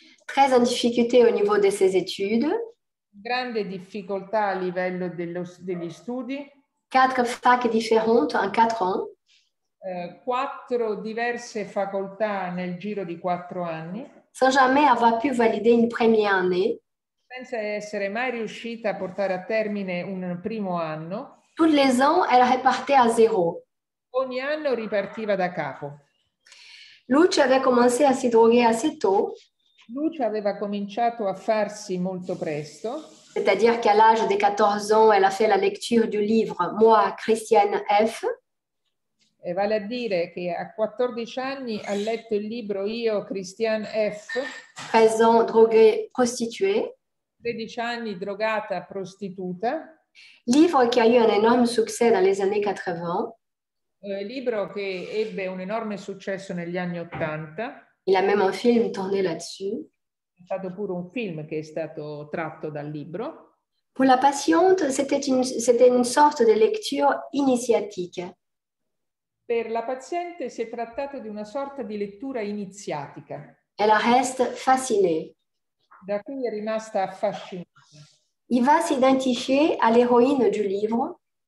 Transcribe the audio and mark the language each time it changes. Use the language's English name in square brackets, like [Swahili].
[French] Très en difficulté au niveau de ses études. [Italian] Grande difficoltà a livello degli studi. [French] Quatre facs différentes en quatre ans. [Italian] Quattro diverse facoltà nel giro di quattro anni. [French] Sans jamais avoir pu valider une première année. [Italian] Senza essere mai riuscita a portare a termine un primo anno. [French] Tous les ans, elle repartait à zéro. [Italian] Ogni anno ripartiva da capo. [French] Lucia [Italian] aveva cominciato a [French] si droguer assez tôt. [Italian] Lucia aveva cominciato a farsi molto presto. [French] C'est-à-dire qu'à l'âge de 14 ans, elle a fait la lecture du livre Moi, Christiane F. [Italian] E vale a dire che a 14 anni ha letto il libro Io, Christiane F. [French] 13 ans, droguée, prostituée. [Italian] 13 anni, drogata, prostituta. [French] Livre qui a eu un énorme succès dans les années 80. [Italian] Libro che ebbe un enorme successo negli anni 80. [French] Il a même un film tourné là-dessus. [Italian] C'è stato pure un film che è stato tratto dal libro. [French] Pour la patiente, c'était une sorte de lecture initiatique. [Italian] Per la paziente si è trattato di una sorta di lettura iniziatica. [French] Elle reste fascinée. [Italian] Da cui è rimasta affascinata. [French] Il va s'identifier à l'héroïne du livre.